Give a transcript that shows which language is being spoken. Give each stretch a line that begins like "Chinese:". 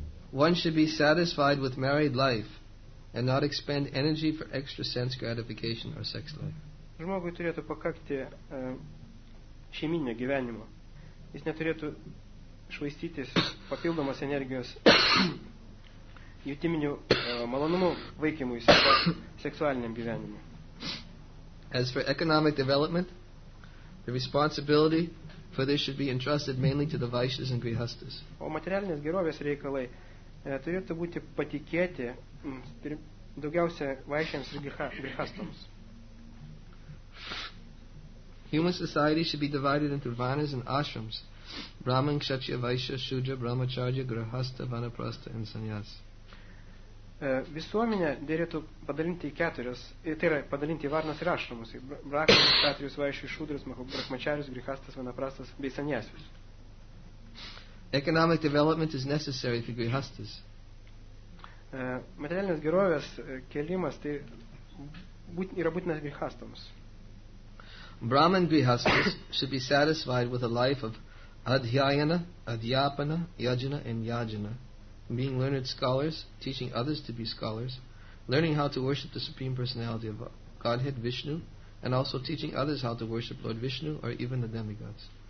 English: one should be satisfied with married life and not expend energy for extra sense gratification or sex life.
Lithuanian: Žmogui turėtų pakakti šeiminio gyvenimo. Jis neturėtų švaistytis papildomos energijos jutiminių malonumų vaikymui seksualiniam gyvenimui.
English: As for economic development, the responsibility for this should be entrusted mainly to the vaishyas and grihasthas.
Lithuanian: O materialinės gerovės reikalai turėtų būti patikėti daugiausia vaishyams ir grihasthams.
English: Human society should be divided into vanas and ashrams, brahman, kshatriya, vaishya, shudra, brahmacharya, grihastha, vanaprastha and sannyas.
Lithuanian: Visuomenė derėtų padalinti į keturias, tai yra padalinti į varnas ir ašramus, brahmanus, kshatrijus, vaishyas, shudras, brahmacharius, grihasthas, vanaprastas bei sannyasius.
English: Economic development is necessary for grihasthas.
Lithuanian: Materialinės gerovės kėlimas tai yra būtinas grihasthams.
English: Brahman grihasthas should be satisfied with a life of adhyayana, adhyapana, yajana and yajana, being learned scholars, teaching others to be scholars, learning how to worship the Supreme Personality of Godhead, Vishnu, and also teaching others how to worship Lord Vishnu or even the demigods.